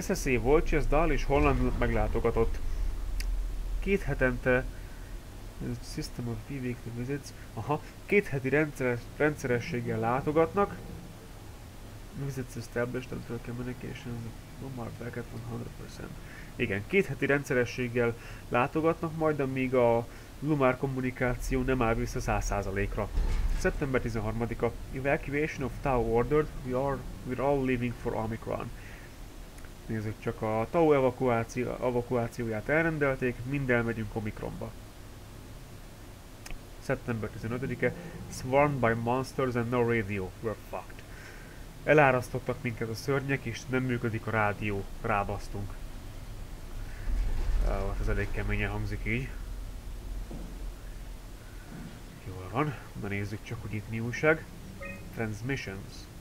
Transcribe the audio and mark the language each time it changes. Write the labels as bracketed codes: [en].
[hu] SSA Vortex, Dahl és Holland meglátogatott. Két hetente [en] System of Bi-weekly visits. [hu] Aha, két heti rendszerességgel látogatnak. [en] Visits established until communications Lumar back at 100%. [hu] Igen, két heti rendszerességgel látogatnak majd, amíg a Lumar kommunikáció nem áll vissza 100%-ra. September 13-a. [en] Evacuation of Tau ordered. We're all leaving for Omicron. [hu] Nézzük csak, a Tau evakuációját elrendelték, mind elmegyünk Omicronba. [en] September 15-e, swarmed by monsters and no radio, we're fucked. [hu] Elárasztottak minket a szörnyek, és nem működik a rádió, rábasztunk. Ez elég keményen hangzik így. Jól van, na nézzük csak, hogy itt mi újság. Transmissions.